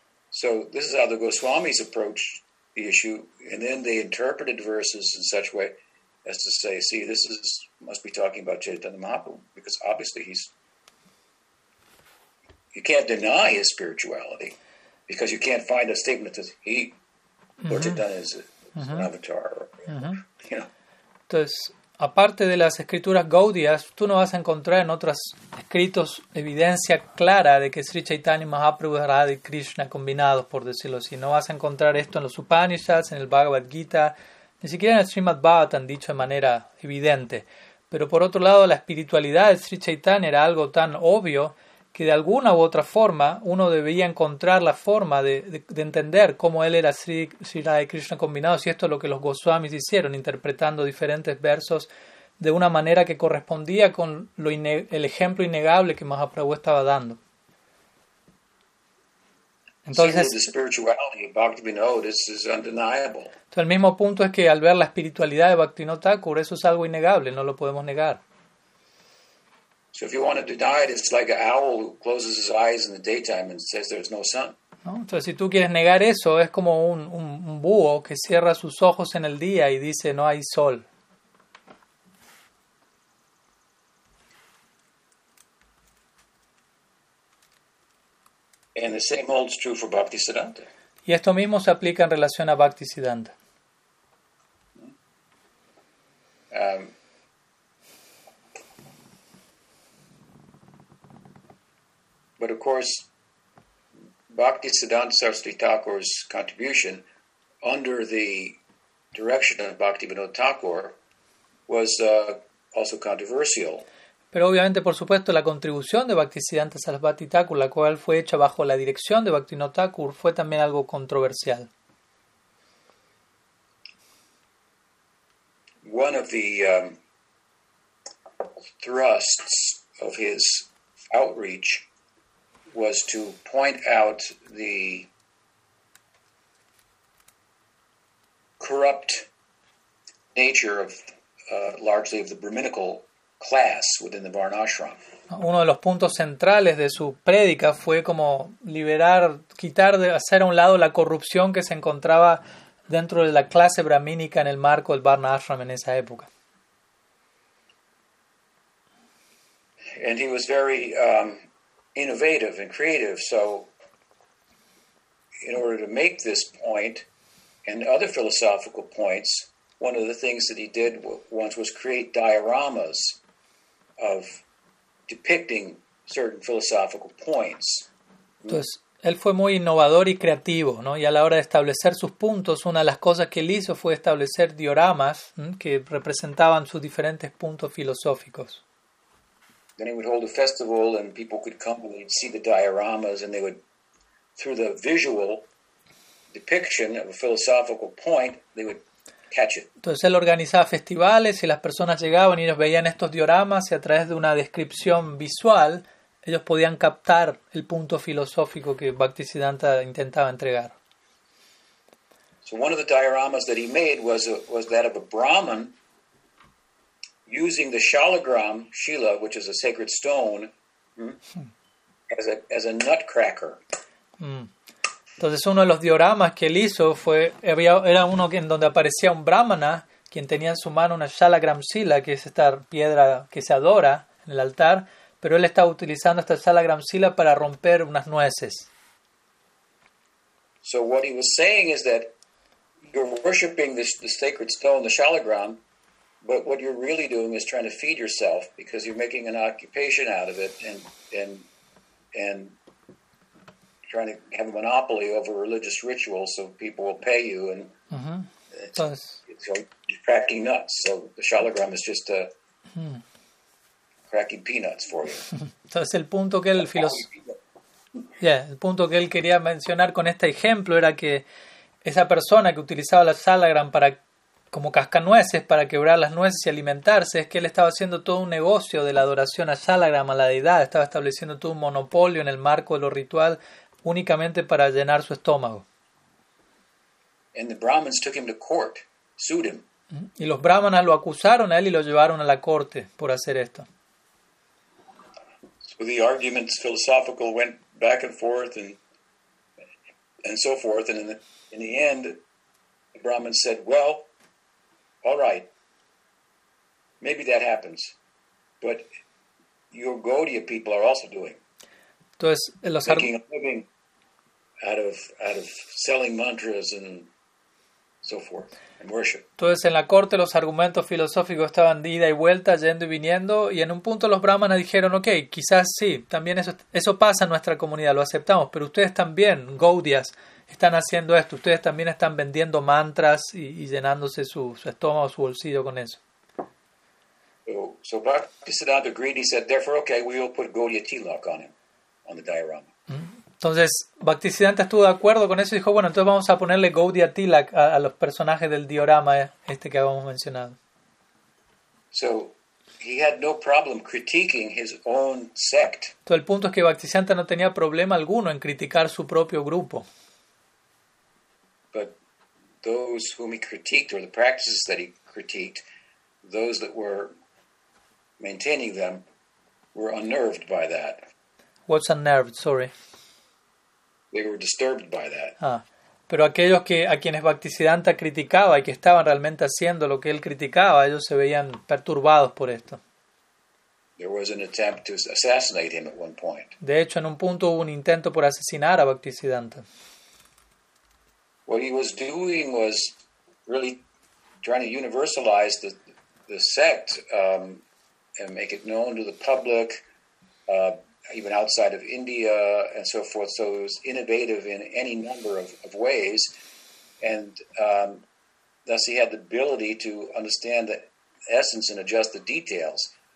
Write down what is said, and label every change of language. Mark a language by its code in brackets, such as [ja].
[en] So this is how the Goswamis approached the issue, and then they interpreted verses in such a way as to say, see, this is must be talking about Chaitanya Mahaprabhu, because obviously you can't deny his spirituality, because you can't find a statement that says or Chaitanya is an avatar. [es] Entonces, aparte de las escrituras gaudias, tú no vas a encontrar en otros escritos evidencia clara de que Sri Chaitanya Mahaprabhu es Radha y Krishna combinados, por decirlo así. No vas a encontrar esto en los Upanishads, en el Bhagavad Gita, ni siquiera en el Srimad Bhagavatam dicho de manera evidente. Pero por otro lado, la espiritualidad de Sri Chaitanya era algo tan obvio que de alguna u otra forma uno debía encontrar la forma de entender cómo él era Sri Radha y Krishna combinados. Y esto es lo que los Goswamis hicieron, interpretando diferentes versos de una manera que correspondía con el ejemplo innegable que Mahaprabhu estaba dando. Entonces, [en] the spirituality of Bhaktivinoda, this is undeniable. [es] El mismo punto es que al ver la espiritualidad de Bhaktivinoda Thakur, eso es algo innegable, no lo podemos negar. [en] So if you want to deny it, it's like an owl who closes his eyes in the daytime and says there's no sun. [es] ¿No? Entonces, si tú quieres negar eso, es como un búho que cierra sus ojos en el día y dice no hay sol. [en] And the same holds true for Bhaktisiddhanta. [es] Y esto mismo se aplica en relación a Bhaktisiddhanta. [en] But of course, Bhaktisiddhanta Saraswati Thakur's contribution under the direction of Bhaktivinoda Thakur was also controversial. [es] Pero obviamente, por supuesto, la contribución de Bhaktisiddhanta Saraswati Thakur, la cual fue hecha bajo la dirección de Bhaktivinoda Thakur, fue también algo controversial. [en] One of the thrusts of his outreach was to point out the corrupt nature of largely of the brahminical class within the varnashram. [es] Uno de los puntos centrales de su prédica fue como liberar, quitar, de hacer a un lado la corrupción que se encontraba dentro de la clase brahmínica en el marco del varnashram en esa época. [en] And he was very innovative and creative. So, in order to make this point and other philosophical points, one of the things that he did once was create dioramas of depicting certain philosophical points. [es] Entonces, él fue muy innovador y creativo, ¿no? Y a la hora de establecer sus puntos, una de las cosas que él hizo fue establecer dioramas que representaban sus diferentes puntos filosóficos. [en] Then he would hold a festival and people could come and they'd see the dioramas and they would, through the visual depiction of a philosophical point, they would catch it. [es] Entonces él organizaba festivales y las personas llegaban y ellos veían estos dioramas y a través de una descripción visual ellos podían captar el punto filosófico que Bhaktisiddhanta intentaba entregar. [en] So one of the dioramas that he made was that of a Brahmin using the shalagram shila, which is a sacred stone, as a nutcracker. [es] Entonces uno de los dioramas que él hizo fue era uno en donde aparecía un brahmana quien tenía en su mano una shalagram shila, que es esta piedra que se adora en el altar, pero él estaba utilizando esta shalagram shila para romper unas nueces. [en] So what he was saying is that you're worshiping the sacred stone, the shalagram. But what you're really doing is trying to feed yourself because you're making an occupation out of it and trying to have a monopoly over religious rituals so people will pay you and it's like you're cracking nuts. So the shalagram is just a cracking peanuts for you. [es] Entonces el punto que el punto que él quería mencionar con este ejemplo era que esa persona que utilizaba la shalagram para como cascanueces para quebrar las nueces y alimentarse, es que él estaba haciendo todo un negocio de la adoración a Shalagram, a la deidad, estaba estableciendo todo un monopolio en el marco de lo ritual únicamente para llenar su estómago. [en] And the Brahmins took him to court, sued him. [es] Y los brahmanas lo acusaron a él y lo llevaron a la corte por hacer esto. [en] So the arguments philosophical went back and forth and so forth, and in the end the Brahmins said, well, all right, maybe that happens, but your Gaudiya people are also doing. [es] Entonces, los [en] making a living out of selling mantras and so forth and worship. [es] Entonces, en la corte, los argumentos filosóficos estaban de ida y vuelta, yendo y viniendo, y en un punto los brahmanas dijeron, okay, quizás sí, también eso pasa en nuestra comunidad, lo aceptamos, pero ustedes también, Gaudiyas, están haciendo esto. Ustedes también están vendiendo mantras y llenándose su estómago, su bolsillo con eso. [en] So Bhaktisiddhanta agreed. He said, therefore, okay, we will put Gaudiya Tilak on him, on the diorama. [es] Entonces, Bhaktisiddhanta estuvo de acuerdo con eso y dijo, bueno, entonces vamos a ponerle Gaudiya Tilak a los personajes del diorama este que habíamos mencionado. [en] So he had no problem critiquing his own sect. [es] Todo el punto es que Bhaktisiddhanta no tenía problema alguno en criticar su propio grupo. [en] But those whom he critiqued, or the practices that he critiqued, those that were maintaining them, were unnerved by that. What's unnerved? Sorry. They were disturbed by that. [es] Ah, pero aquellos que a quienes Bhaktisiddhanta criticaba y que estaban realmente haciendo lo que él criticaba, ellos se veían perturbados por esto. [en] There was an attempt to assassinate him at one point. [es] De hecho, en un punto hubo un intento por asesinar a Bhaktisiddhanta. [en] What he was doing was really trying to universalize the sect and make it known to the public, even outside of India and so forth. So it was innovative in any number of ways. And thus he had the ability to understand the essence and adjust the details.